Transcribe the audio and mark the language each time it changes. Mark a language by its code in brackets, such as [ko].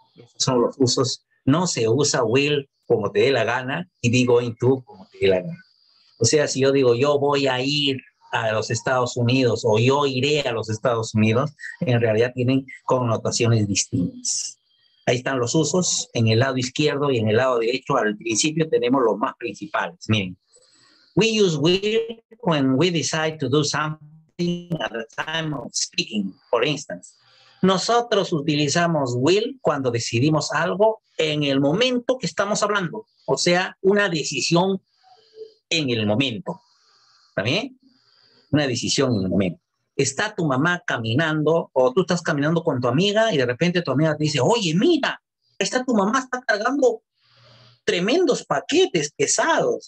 [es] Esos son los usos. No se usa will como te dé la gana y digo going to como te dé la gana. O sea, si yo digo yo voy a ir a los Estados Unidos o yo iré a los Estados Unidos, en realidad tienen connotaciones distintas. Ahí están los usos en el lado izquierdo y en el lado derecho. Al principio tenemos los más principales. Miren, [en] We use will when we decide to do something at the time of speaking, for instance. [es] Nosotros utilizamos will cuando decidimos algo en el momento que estamos hablando. O sea, una decisión en el momento. ¿Está bien? Una decisión en el momento. Está tu mamá caminando o tú estás caminando con tu amiga y de repente tu amiga te dice, oye, mira, está tu mamá, está cargando tremendos paquetes pesados.